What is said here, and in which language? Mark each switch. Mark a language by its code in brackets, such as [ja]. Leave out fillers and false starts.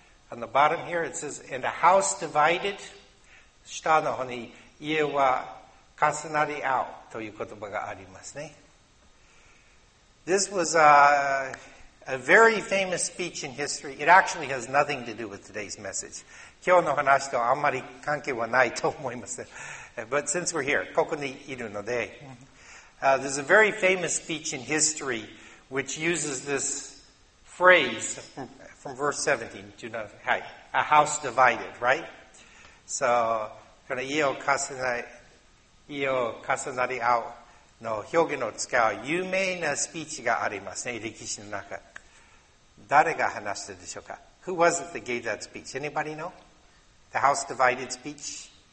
[en] On the bottom here, it says, and a house divided. [ja] 下の方に家は重なり合うという言葉がありますね。 [en] This was a very famous speech in history. It actually has nothing to do with today's message. [ja] 今日の話とあんまり関係はないと思います。 [en] But since we're here, [ja] ここにいるので。 [en] There's a very famous speech in history which uses this phrase, from verse 17, a house divided, right? [ja] So, この家を重なり合うの表現を使う有名なスピーチがありますね、歴史の中。誰が話したでしょうか? [en] Who was it that gave that speech? Anybody know? The house divided speech?